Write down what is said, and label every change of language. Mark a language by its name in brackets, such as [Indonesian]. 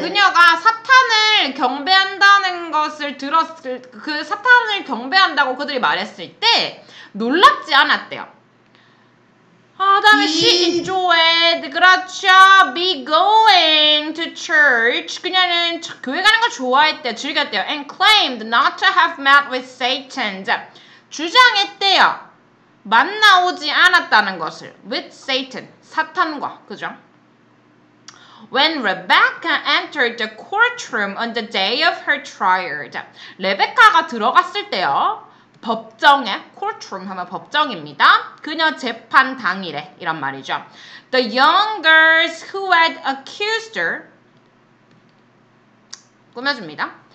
[Korean] 그녀가 사탄을 경배한다는 것을 들었을 그 사탄을 경배한다고 그들이 말했을 때 놀랍지 않았대요. 다음에 [English] she enjoyed [Korean] 그렇죠. [English] be going to church. [Korean] 그녀는 교회 가는 걸 좋아했대요. 즐겼대요. [English] and claimed not to have met with Satan. [Korean] 자, 주장했대요. 만나오지 않았다는 것을 [English] with Satan [Korean] 사탄과 그죠? [English] When Rebecca entered the courtroom on the day of her trial. [Korean] 자, 레베카가 들어갔을 때요. 법정에 courtroom 하면 법정입니다. 그녀 재판 당일에 이런 말이죠. [English] The young girls who had accused her [Korean] 꾸며줍니다.